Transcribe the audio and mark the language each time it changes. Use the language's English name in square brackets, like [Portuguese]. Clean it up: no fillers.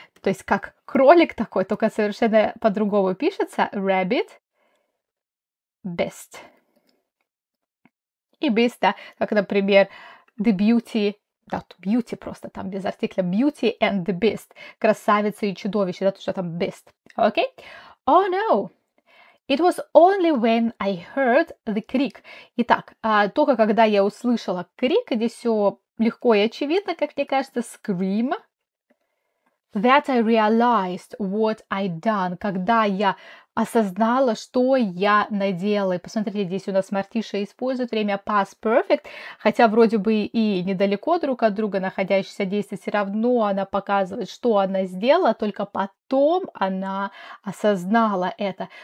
[Russian] То есть как кролик такой, только совершенно по-другому пишется. [English] Rabbit beast. [Russian] И beast, да, как, например, the beauty, да, beauty просто там без артикля, [English] beauty and the beast. [Russian] Красавица и чудовище, да, то, что там beast. [English] Окей? Okay? Oh, no! It was only when I heard the creak. [Russian] Итак, только когда я услышала крик, здесь все легко и очевидно, как мне кажется, scream. [English] That I realized what I'd done. [Russian] Когда я осознала, что я наделала. И посмотрите, здесь у нас Мартиша использует время past perfect, хотя вроде бы и недалеко друг от друга находящиеся действия, все равно она показывает, что она сделала, только потом она осознала это.